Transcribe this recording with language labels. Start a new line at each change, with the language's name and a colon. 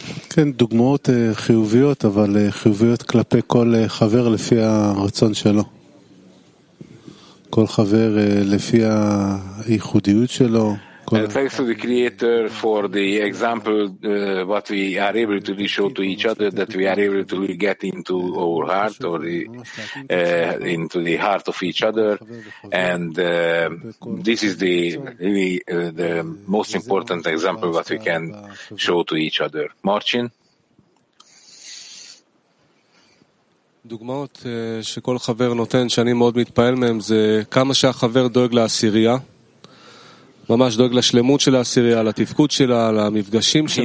Hebrew: כן, דוגמאות חיוביות, אבל חיוביות כלפי כל חבר לפי הרצון שלו. כל חבר לפי הייחודיות שלו.
English: Thanks to the Creator for the example what we are able to show to each other, that we are able to get into our heart or the, into the heart of each other, and this is the really the most important example what we can show to each other. Marcin?
Hebrew: דוגמאות שכל חבר נותן שאני מאוד מתפעל מהם זה כמה שהחבר דואג לעשירייה ממש דואג לשלמות של העשירייה לתפקוד שלה למפגשים שלה